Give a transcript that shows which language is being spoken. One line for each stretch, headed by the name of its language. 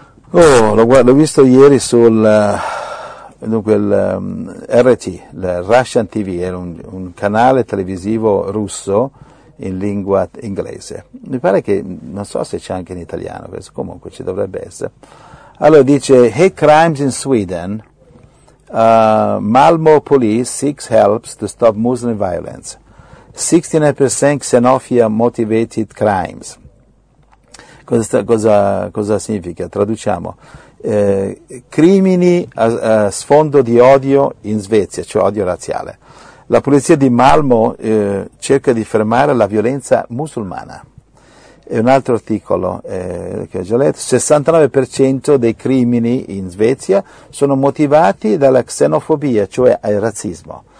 Italian: Oh, l'ho visto ieri sul... Dunque RT, il Russian TV, è un canale televisivo russo in lingua inglese. Mi pare che, non so se c'è anche in italiano questo, comunque ci dovrebbe essere. Allora dice,
English: Hate Crimes in Sweden, Malmo police seeks helps to stop Muslim violence. 69% xenophobia motivated crimes.
Italian: Cosa significa? Traduciamo. Crimini a sfondo di odio in Svezia, cioè odio razziale. La polizia di Malmo cerca di fermare la violenza musulmana. E un altro articolo che ho già letto, 69% dei crimini in Svezia sono motivati dalla xenofobia, cioè al razzismo.